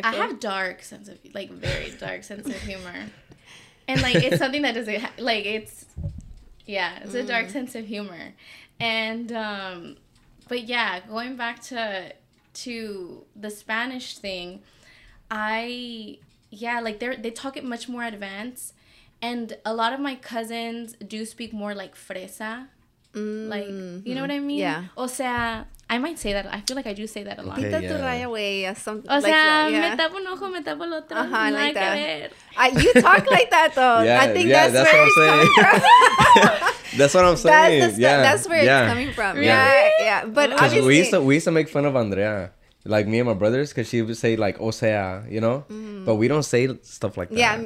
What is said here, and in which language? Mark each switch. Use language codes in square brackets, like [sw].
[en] I have dark sense of like very dark sense of humor, and like it's something that doesn't like it's it's a dark sense of humor, and but yeah, going back to the Spanish thing, they talk it much more advanced, and a lot of my cousins do speak more like fresa. Like, you know what I mean? Yeah. [es] O sea, [en] I might say that. I feel like I do say that a lot. Pita tu raya away. [es] O sea, me tapo un ojo, me tapo el otro. [en] Ajá, like that. You talk like that, though. Yeah, I think that's where it's coming from. That's what I'm saying. That's where it's coming from. Yeah. But obviously. Because we used to make fun of Andrea. Like, me and my brothers, because she would say, like, [es] o sea, [en] you know? Mm. But we don't say stuff like that. Yeah,